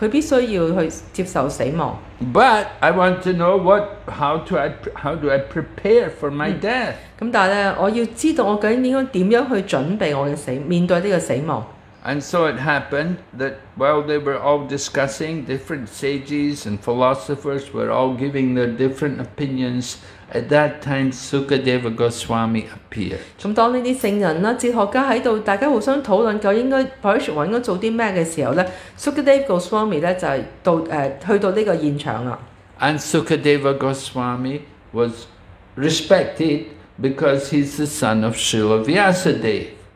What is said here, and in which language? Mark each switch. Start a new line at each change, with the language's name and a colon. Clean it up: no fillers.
Chinese: 這個也一定是主的安排，他必須要接受死亡。
English: But I want to know how do I prepare for my death.
Chinese: 但我要知道我究竟應該怎樣去準備我的死，面對這個死亡。
English: And so it happened that while they were all discussing, different sages and philosophers were all giving their different opinions. At that time, Sukadeva Goswami appeared. And Sukadeva Goswami was respected because he's the son of Srila Vyasadeva.